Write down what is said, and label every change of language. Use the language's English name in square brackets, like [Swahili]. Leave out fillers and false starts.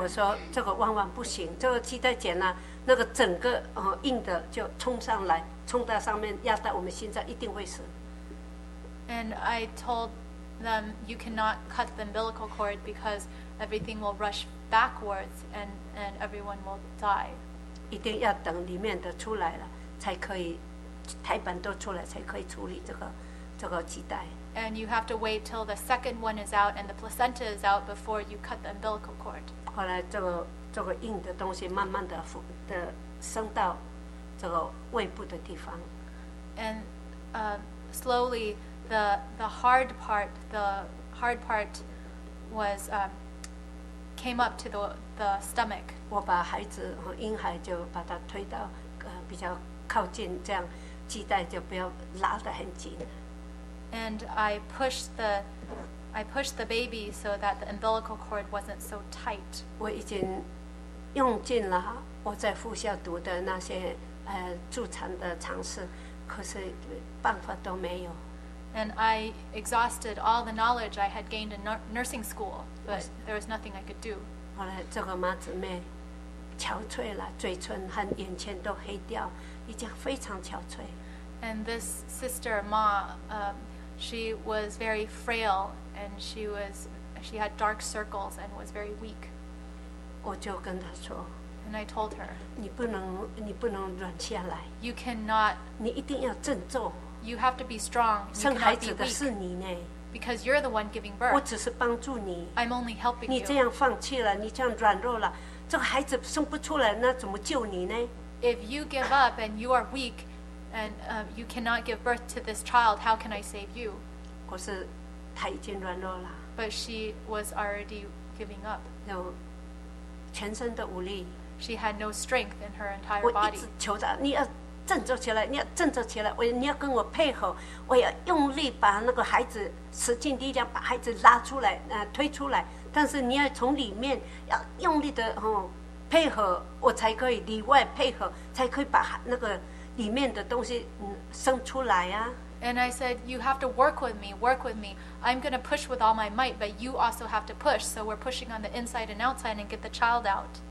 [Chinese] 我说这个万万不行，这个系带剪了。那个整个硬的就冲上来，冲到上面压到我们心脏，一定会死。 [English] And I told them you cannot cut the umbilical cord because everything will rush backwards and everyone will die. [Chinese] 一定要等里面的出来了，才可以胎盘都出来，才可以处理这个脐带。 [English] And you have to wait till the second one is out and the placenta is out before you cut the umbilical cord. [Chinese] 后来这个硬的东西慢慢的升到这个胃部的地方。 [English] And slowly the hard part was came up to the stomach. [Chinese] 我把孩子和婴孩就把它推到比较靠近，这样脐带就不要拉得很紧。 [English] And I pushed the baby so that the umbilical cord wasn't so tight. [Chinese] 我已经用尽了我在复校读的那些助产的尝试，可是办法都没有。 [English] And I exhausted all the knowledge I had gained in nursing school, but there was nothing I could do. [Chinese] 后来这个妈子妹憔悴了，嘴唇和眼前都黑掉，已经非常憔悴。 [English] And this sister, Ma, she was very frail, and she had dark circles and was very weak. [Chinese] 我就跟她说。 [English] And I told her. [Chinese] 你不能软下来。 [English] You cannot. [Chinese] 你一定要振作。 [English] You have to be strong. You cannot be weak. [Chinese] 生孩子的是你呢。 [English] Because you're the one giving birth. [Chinese] 我只是帮助你。 [English] I'm only helping you. [Chinese] 你这样放弃了，你这样软弱了，这个孩子生不出来，那怎么救你呢？ [English] If you give up and you are weak. And you cannot give birth to this child. How can I save you? [Chinese] 可是她已经软弱了。 [English] But she was already giving up. [Chinese] 有全身的无力。 [English] She had no strength in her entire body. [Chinese] 我一直求她，你要振作起来，你要振作起来，你要跟我配合，我要用力把那个孩子使尽力量把孩子拉出来，推出来。但是你要从里面要用力的配合，我才可以里外配合，才可以把那个。里面的东西生出来啊。 [English] And I said, you have to work with me, work with me. I'm going to push with all my might, but you also have to push. So we're pushing on the inside and outside and get the child out.